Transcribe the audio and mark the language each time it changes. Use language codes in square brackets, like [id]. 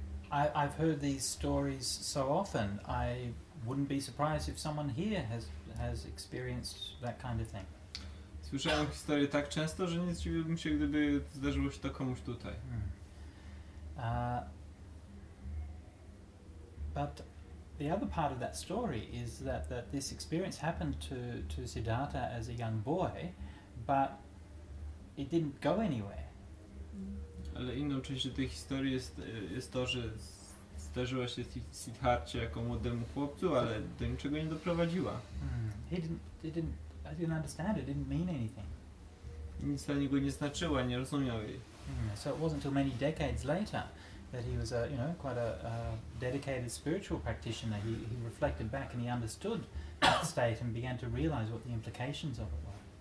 [en] I've heard these stories so often. I wouldn't be surprised if someone here has experienced that kind of thing. [pl] Słyszałem historię tak często, że nie zdziwiłbym się, gdyby zdarzyło się to komuś tutaj. [en] But the other part of that story is that this experience happened to Siddhartha as a young boy, but it didn't go anywhere. [pl] Ale inną częścią tej historii jest to, że zdarzyła się Siddharcie jako młodemu chłopcu, ale do niczego nie doprowadziła. [en] I didn't understand it, didn't mean anything. [pl] Nic dla niego nie znaczyła, nie rozumiał jej. [en] So it wasn't until many decades later that he was quite a dedicated spiritual practitioner. He reflected back and he understood that state and began to realize what the implications of it were.